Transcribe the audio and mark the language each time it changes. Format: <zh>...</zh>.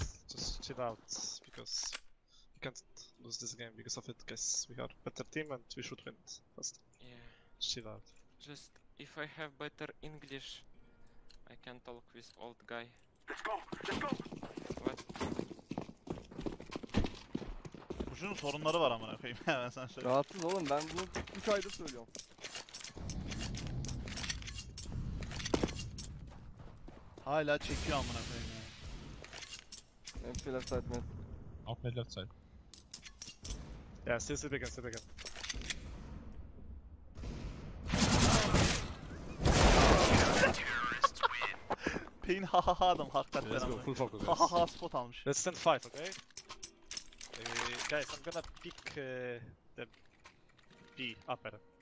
<en>Just chill out, because we can't lose this game because of it, guys. We are better team and we should win first. Yeah. Chill out. Just, if I have better English, I can talk with old guy. Let's go! Let's go! What?</en> <tr>Kuşun var amına koyayım, hemen sen söyle. Rahatsız oğlum, ben bunu 3 ayda söylüyorum. Hala çekiyor amına koyayım.</tr> <en>MP left side mid. Out mid left side. Yeah, still sleep again, sleep again. Terrorist win.</en> <tr>Hüseyin ha ha ha adam hakikaten.</tr> <en>Let's go, full focus.</en> <tr>Ha ha ha spot almış.</tr> <en>Let's stand 5, okay? Guys, I'm gonna pick the B upper.</en>